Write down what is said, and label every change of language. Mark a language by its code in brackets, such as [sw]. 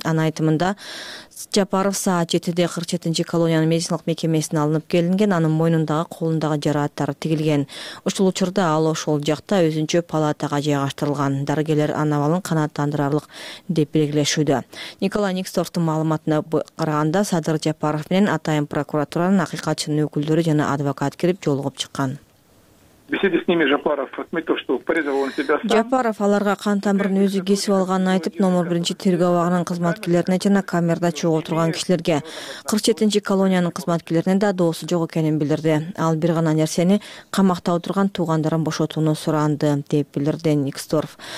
[ky] Анын айтымында Жапаров саат 7:00 47 колониянын медициналык мекемесине алынып келинген, анын мойнундагы колундагы жараттары тигилген. Ушул учурда ал ошол жакта өзүнчө палатага жайгаштырылган. Дарыгерлер анын абалын канааттандыраарлык деп белгилешүүдө. Николай Никсторфтун маалыматына караганда, Садыр Жапаров менен атайын прокуратуранын акыйкатчынын өкүлдөрү жана адвокат кирип жолугуп чыккан. [ru] Беседы с ними Жапаров отметил, что порезал он себя сам. [ky] Жапаров аларга кан тамырын өзү кесип алганын айтып, номер 1 тергөө абагынын кызматкерлерине жана камерада чогуу турган кишилерге, 47 колониянын кызматкерлерине да доосу жок экенин билдирди. Ал бир гана нерсени камакта отурган туугандарын бошотууну суранды деп билдирди Никсторф.